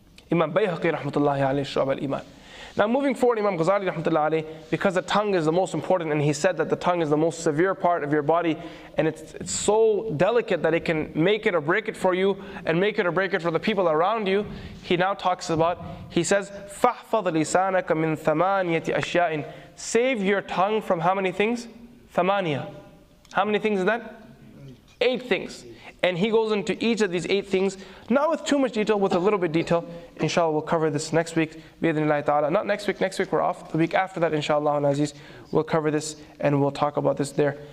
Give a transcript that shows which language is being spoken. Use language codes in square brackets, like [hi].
[en] Imam Bayhaqi rahmatullahi alayhi, Shu'b al-Iman. Now moving forward, Imam Ghazali rahmatullahi alayhi, because the tongue is the most important, and he said that the tongue is the most severe part of your body, and it's so delicate that it can make it or break it for you, and make it or break it for the people around you. He says, [ar] فَحْفَظْ لِسَانَكَ مِنْ ثَمَانِيَةِ أَشْيَاءٍ. [en] Save your tongue from how many things? ثَمَانِيَة. How many things is that? Eight things. And he goes into each of these eight things, not with too much detail, with a little bit detail. Inshallah, we'll cover this next week, bi'idhnillahi ta'ala. Not next week, we're off. The week after that, inshallah, and Aziz, we'll cover this and we'll talk about this there.